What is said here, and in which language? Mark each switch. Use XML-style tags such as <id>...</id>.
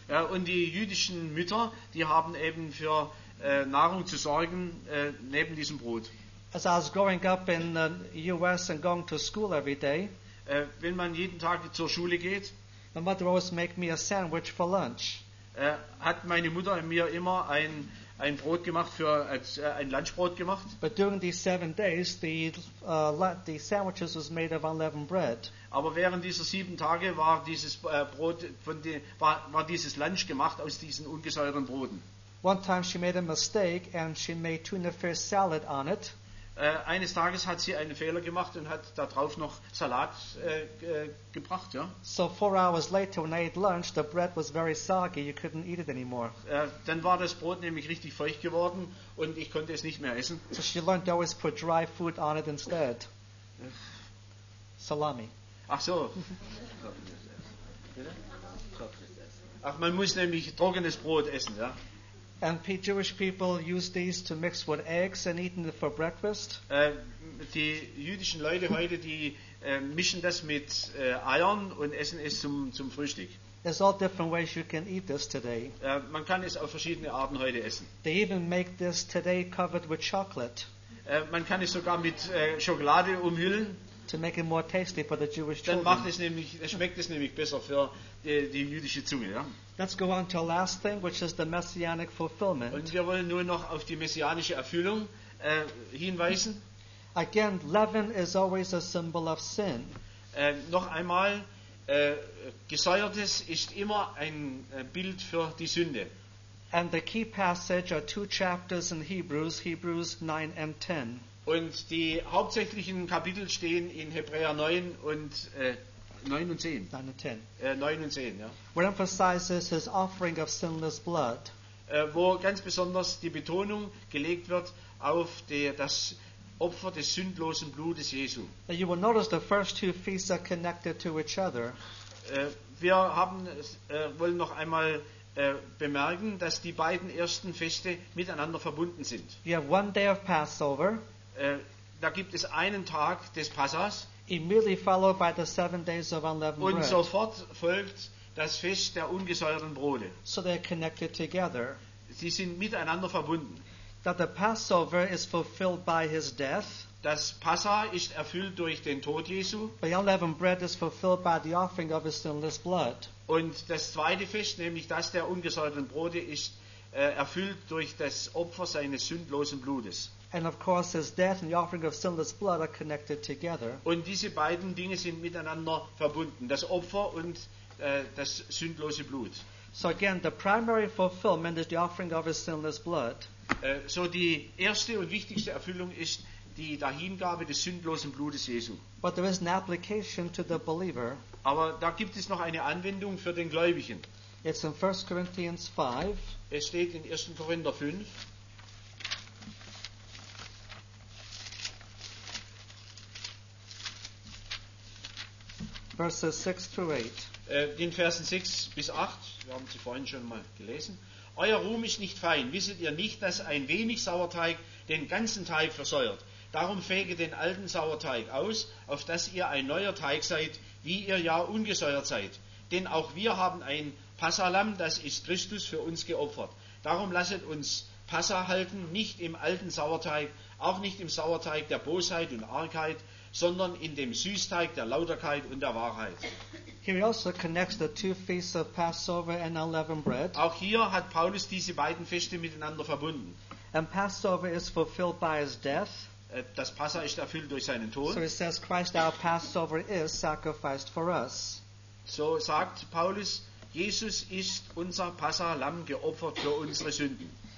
<de>Und die jüdischen Mütter, die haben eben für Nahrung zu sorgen neben diesem Brot.</de> <en>As I was growing up in the U.S. and going to school every day,</en> <de>wenn man jeden Tag zur Schule geht,</de> <en>my mother always make me a sandwich for lunch.</en> <de>Hat meine Mutter mir immer ein Brot gemacht für ein Lunchbrot gemacht.</de> <en>But during these 7 days, the sandwiches was made of unleavened bread.</en> <de>Aber während dieser 7 Tage war dieses Brot war dieses Lunch gemacht aus diesen ungesäuerten Broten.</de> <en>One time she made a mistake and she made tuna fish salad on it.</en> <de>Eines Tages hat sie einen Fehler gemacht und hat darauf noch Salat gebracht, ja.</de> <en>So 4 hours later, when I ate lunch, the bread was very soggy. You couldn't eat it anymore.</en> <de>Dann war das Brot nämlich richtig feucht geworden und ich konnte es nicht mehr essen.</de> <en>So she learned to always put dry food on it instead. Salami.</en> <de>Ach so. Ach, man muss nämlich trockenes Brot essen, ja.</de> <en>And Jewish people use these to mix with eggs and eat them for breakfast.</en> <de>Die jüdischen Leute heute, die mischen das mit Eiern und essen es zum Frühstück.</de> <en>There's all different ways you can eat this today.</en> <de>Man kann es auf verschiedene Arten heute essen.</de> <en>They even make this today covered with chocolate.</en> <de>Man kann es sogar mit Schokolade umhüllen.</de> <en>To make it more tasty for the Jewish children.</en> <de>Dann schmeckt es nämlich besser für die jüdische Zunge, ja.</de> <en>Let's go on to the last thing, which is the messianic fulfillment.</en> <de>Und wir wollen nur noch auf die messianische Erfüllung hinweisen.</de> <en>Again, leaven is always a symbol of sin.</en> <de>Noch einmal, Gesäuertes ist immer ein Bild für die Sünde.</de> <en>And the key passage are 2 chapters in Hebrews, Hebrews 9 and 10.</en> <de>Und die hauptsächlichen Kapitel stehen in Hebräer 9 und 9 und 10, ja.</de> <en>Where emphasizes his offering of sinless blood.</en> <de>Wo ganz besonders die Betonung gelegt wird auf das Opfer des sündlosen Blutes Jesu.</de> <en>And you will notice the first two feasts are connected to each other.</en> <de>Wir wollen noch einmal bemerken, dass die beiden ersten Feste miteinander verbunden sind.</de> <en>You have one day of Passover.</en> <de>Da gibt es einen Tag des Passas.</de> <en>Immediately followed by the 7 days of unleavened bread.</en> <de>Und sofort folgt das Fest der ungesäuerten Brote.</de> <en>So they're connected together.</en> <de>Sie sind miteinander verbunden.</de> <en>that the Passover is fulfilled by his death.</en> <de>Das Passa ist erfüllt durch den Tod Jesu.</de> <en>The unleavened bread is fulfilled by the offering of his sinless blood.</en> <de>Und das zweite Fest, nämlich das der ungesäuerten Brote, ist erfüllt durch das Opfer seines sündlosen Blutes.</de> <en>And of course his death and the offering of sinless blood are connected together.</en> <de>Und diese beiden Dinge sind miteinander verbunden, das Opfer und das sündlose Blut.</de> <en>So again, the primary fulfillment is the offering of his sinless blood.</en> <de>So die erste und wichtigste Erfüllung ist die Dahingabe des sündlosen Blutes Jesu.</de> <en>But there is an application to the believer.</en> <de>Aber da gibt es noch eine Anwendung für den Gläubigen.</de> <en>It's in 1 Corinthians 5.</en> <de>Es steht in 1. Korinther 5.</de> <en>Verses 6 through 8.</en> <de>Den Versen 6 bis 8, wir haben sie vorhin schon mal gelesen. Euer Ruhm ist nicht fein. Wisset ihr nicht, dass ein wenig Sauerteig den ganzen Teig versäuert? Darum fege den alten Sauerteig aus, auf dass ihr ein neuer Teig seid, wie ihr ja ungesäuert seid. Denn auch wir haben ein Passalam, das ist Christus für uns geopfert. Darum lasset uns Passa halten, nicht im alten Sauerteig, auch nicht im Sauerteig der Bosheit und Argheit, sondern in dem Süßteig der Lauterkeit und der Wahrheit.</de> <en>Here he also connects the two feasts of Passover and unleavened bread.</en> <de>Auch hier hat Paulus diese beiden Feste miteinander verbunden.</de> <en>And Passover is fulfilled by his death.</en> <de>Das Passa ist erfüllt durch seinen Tod.</de> <en>So he says, Christ our Passover is sacrificed for us.</en> <de>So sagt Paulus, Jesus ist unser Passa-Lamm geopfert für unsere Sünden.</de>